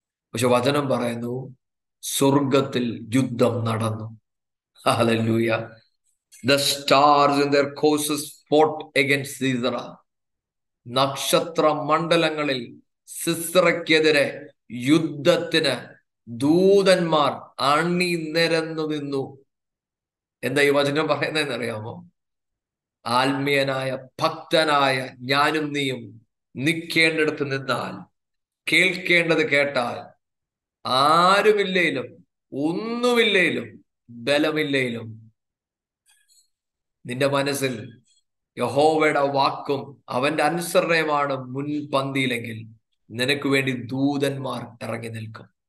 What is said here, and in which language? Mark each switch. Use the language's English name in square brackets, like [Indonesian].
[Malayalam] പക്ഷെ വചനം പറയുന്നു സ്വർഗത്തിൽ യുദ്ധം നടന്നു. Hallelujah. [English] The stars in their courses fought against Sisera. [Malayalam] നക്ഷത്ര മണ്ഡലങ്ങളിൽ സിസറയ്ക്കെതിരെ യുദ്ധത്തിന് ദൂതന്മാർ അണിനിരന്നു നിന്നു. എന്താ ഈ വചനം പറയുന്നതെന്ന് അറിയാമോ? ആത്മീയനായ ഭക്തനായ ഞാനും നീയും നിൽക്കേണ്ടടുത്ത് നിന്നാൽ, കേൾക്കേണ്ടത് കേട്ടാൽ, ആരുമില്ലേലും ഒന്നുമില്ലേലും ബലമില്ലേലും നിന്റെ മനസ്സിൽ യഹോവയുടെ വാക്കും അവന്റെ അനുസരണയുമാണ് മുൻപന്തിയിലെങ്കിൽ നിനക്ക് വേണ്ടി ദൂതന്മാർ ഇറങ്ങി നിൽക്കും.